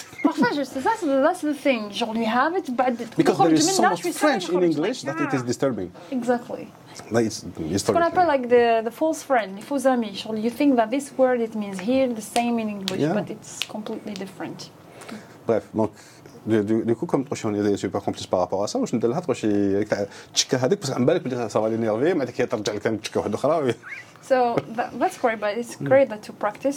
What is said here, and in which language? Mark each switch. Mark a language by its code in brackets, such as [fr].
[en] that's the thing. Genre, you have it, but... Because there is so much French in English that it is disturbing. Exactly. Like it's what I feel like the false friend, faux ami. Genre, you think that this word, it means here, the same in English, yeah, but it's completely different. [fr] Bref, donc, du coup, comme toi, on est super complice par rapport à ça, je me disais, toi, tu parce que tu ça va l'énerver, mais tu as dit que tu as. [en] So that's great, but it's great that to practice.